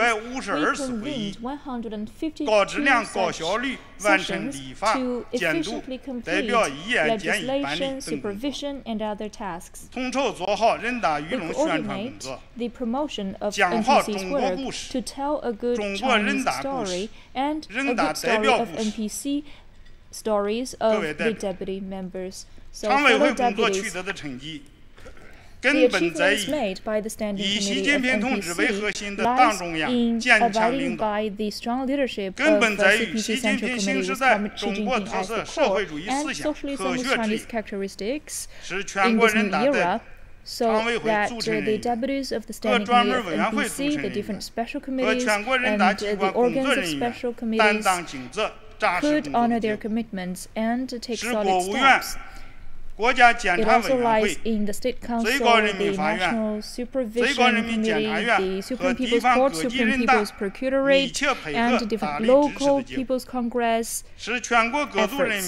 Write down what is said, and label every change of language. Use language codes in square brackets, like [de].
[en] We convened 152 such sessions to efficiently complete legislation, supervision, and other tasks. We coordinate the promotion of NPC's work to tell a good Chinese story and a good story of NPC stories of the deputy members. [zh] 常委会工作取得的成绩根本在于以习近平同志为核心的党中央坚强领导，根本在于习近平新时代中国特色社会主义思想科学制约，使全国人大的 [en] So that the deputies of the Standing Committee of NPC, the different special committees, and the organs of special committees could honor their commitments and take solid steps. It also lies in the State Council, the National Supervision Committee, the Supreme People's Court, Supreme People's Procuratorate, and different local People's Congress efforts.